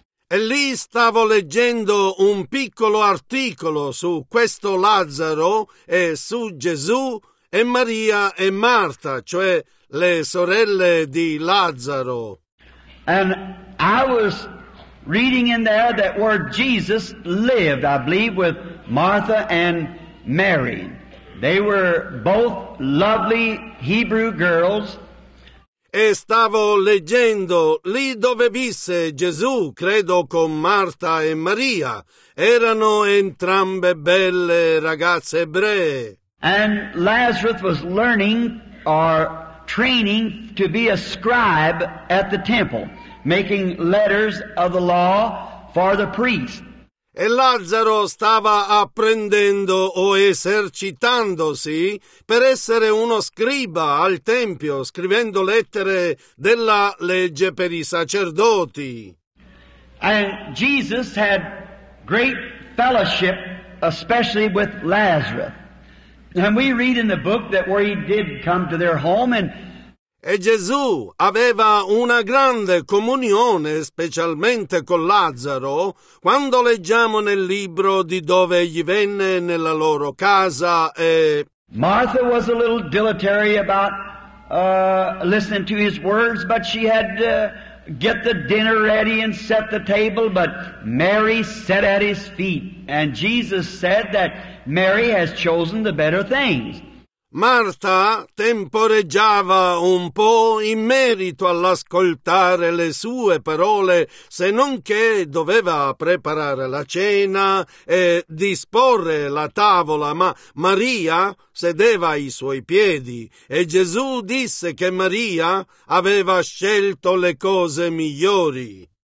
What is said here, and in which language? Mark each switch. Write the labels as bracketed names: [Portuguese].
[Italian] E lì stavo leggendo un piccolo articolo su questo Lazzaro e su Gesù e Maria e Marta, cioè le sorelle di Lazzaro. [English] And I was reading in there that where Jesus lived, I believe, with Martha and Mary. They were both lovely Hebrew girls. [Italian] E stavo leggendo lì dove visse Gesù, credo con Marta e Maria. Erano entrambe belle ragazze ebree. [English] And Lazarus was learning or training to be a scribe at the temple, making letters of the law for the priest. [Italian] E Lazzaro stava apprendendo o esercitandosi per essere uno scriba al tempio, scrivendo lettere della legge per i sacerdoti. [English] And Jesus had great fellowship, especially with Lazarus. And we read in the book that where he did come to their home and [Italian] E Gesù aveva una grande comunione, specialmente con Lazzaro, quando leggiamo nel libro di dove gli venne nella loro casa e [English] Martha was a little dilatory about listening to his words, but she had to get the dinner ready and set the table, but Mary sat at his feet, and Jesus said that Mary has chosen the better things. [Italian] Marta temporeggiava un po' in merito all'ascoltare le sue parole, se non che doveva preparare la cena e disporre la tavola, ma Maria sedeva ai suoi piedi e Gesù disse che Maria aveva scelto le cose migliori.